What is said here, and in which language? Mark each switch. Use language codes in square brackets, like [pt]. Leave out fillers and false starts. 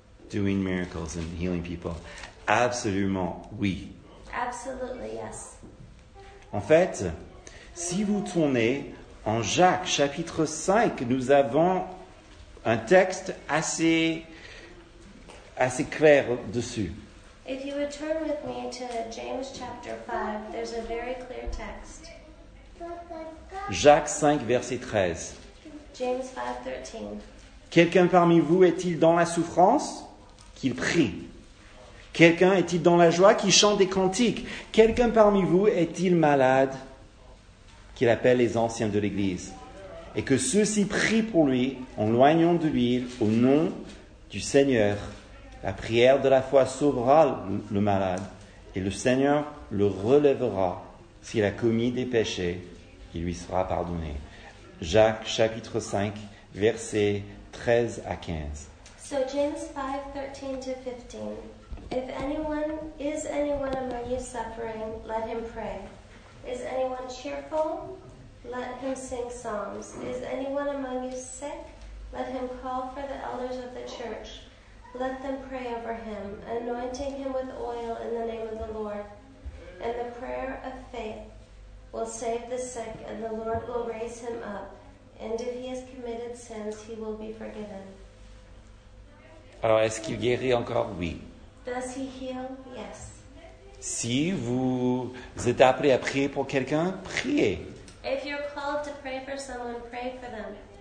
[en] doing miracles and healing people? [fr] Absolument, oui. [en] Absolutely, yes. [fr] En fait, si vous tournez en Jacques chapitre 5, nous avons un texte assez clair dessus. [en] If you would turn with me to James chapter 5, there's a very clear text. [fr] Jacques 5 verset 13. [en] James 5 13. [fr] Quelqu'un parmi vous est-il dans la souffrance? Qu'il prie. Quelqu'un est-il dans la joie? Qu'il chante des cantiques. Quelqu'un parmi vous est-il malade? Qu'il appelle les anciens de l'église. Et que ceux-ci prient pour lui en l'oignant de l'huile au nom du Seigneur. La prière de la foi sauvera le malade et le Seigneur le relèvera. S'il a commis des péchés, il lui sera pardonné. Jacques chapitre 5, versets 13 à 15. [en] So James 5, 13 to 15. Is anyone among you suffering, let him pray. Is anyone cheerful? Let him sing psalms. Is anyone among you sick? Let him call for the elders of the church. Let them pray over him, anointing him with oil in the name of the Lord. And the prayer of faith will save the sick, and the Lord will raise him up. And if he has committed sins, he will be forgiven. [fr] Alors, est-ce qu'il guérit encore? Oui. [en] Does he heal? Yes. [fr] Si vous êtes appelé à prier pour quelqu'un, priez. [en] If you're called to pray for someone, pray for them.